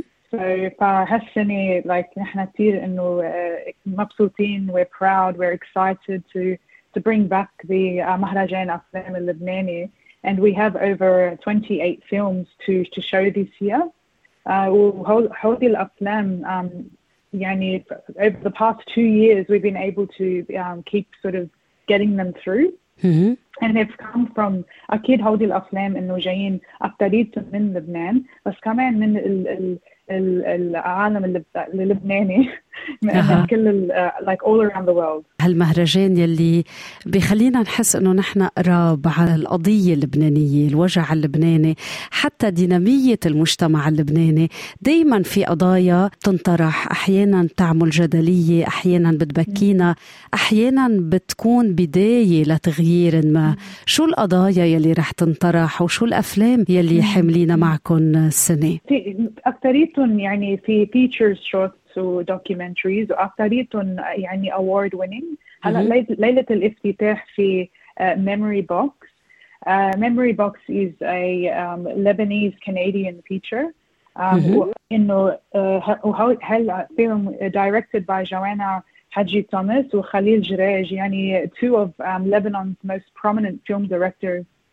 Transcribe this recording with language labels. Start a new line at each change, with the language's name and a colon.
English: So
Arabic: فهالسنة
English: like
Arabic: نحن كتير إنه مبسوطين،
English: we're proud, we're excited to bring back the
Arabic: مهرجان أفلام اللبناني.
English: And we have over 28 films to show this year.
Arabic: وهذه الأفلام يعني
English: over the past 2 years we've been able to keep sort of getting them through. And they've come from
Arabic: أكيد هذه الأفلام إنه جايين أكتريت من لبنان، بس كمان من العالم اللبناني، من كل
English: like all around the world.
Arabic: هالمهرجان يلي بيخلينا نحس إنه نحن قراب على القضية اللبنانية، الوجع اللبناني، حتى دينامية المجتمع اللبناني. دائما في قضايا تنطرح، أحيانا تعمل جدلية، أحيانا بتبكينا، أحيانا بتكون بداية لتغيير ما. شو القضايا يلي رح تنطرح وشو الأفلام يلي حملينا معكم السنة؟ أكتريتهم يعني في
English: features short documentaries
Arabic: وأكتريتهم يعني
English: award winning.
Arabic: هلا ليلة الافتتاح في Memory Box.
English: Memory Box is a Lebanese Canadian feature.
Arabic: إنه هلا
English: film directed by Joanna Haji Thomas وخليل جريج، يعني two of Lebanon's most prominent film directors.